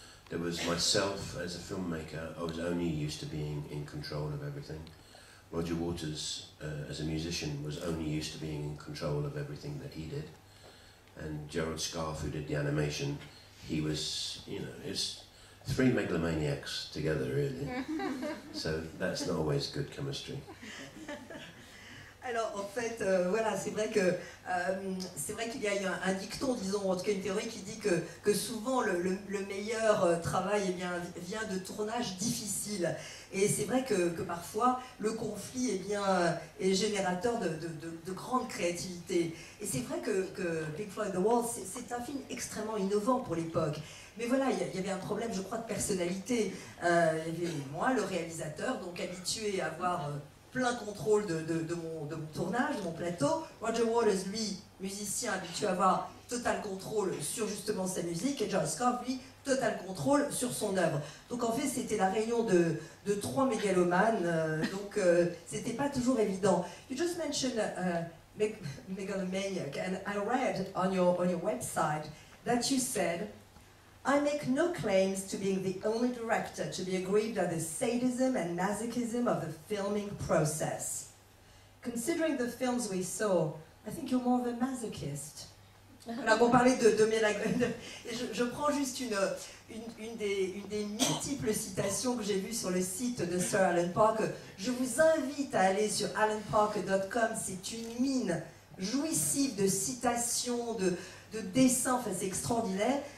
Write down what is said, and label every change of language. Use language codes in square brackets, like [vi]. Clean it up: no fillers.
[en] There was myself as a filmmaker. I was only used to being in control of everything. Roger Waters, as a musician, was only used to being in control of everything that he did. and Gerald Scarfe, who did the animation, he was, you know, it's three megalomaniacs together, really. So that's not always good chemistry. [fr] Alors, en fait, voilà, c'est vrai qu'il y a un dicton, disons, en tout cas une théorie qui dit que souvent le meilleur travail vient de tournages difficiles. Et c'est vrai que parfois, le conflit est générateur de grande créativité. Et c'est vrai que Big Floyd the Wall, c'est un film extrêmement innovant pour l'époque. Mais voilà, il y avait un problème, je crois, de personnalité. Moi, le réalisateur, donc habitué à avoir plein contrôle de mon tournage, de mon plateau. Roger Waters, lui, musicien, habitué à avoir total contrôle sur justement sa musique, et John Scarfe, lui, total contrôle sur son œuvre. Donc en fait, c'était la réunion de trois mégalomanes, donc c'était pas toujours évident. [en] You just mentioned megalomaniac, and I read on your website that you said, I make no claims to being the only director to be aggrieved at the sadism and masochism of the filming process. Considering the films we saw, I think you're more of a masochist. [fr] Alors, pour parler de Mélagon, je prends juste une des multiples citations que j'ai vues sur le site de Sir Alan Parker. Je vous invite à aller sur alanparker.com, c'est une mine jouissive de citations, de dessins, enfin, c'est extraordinaire.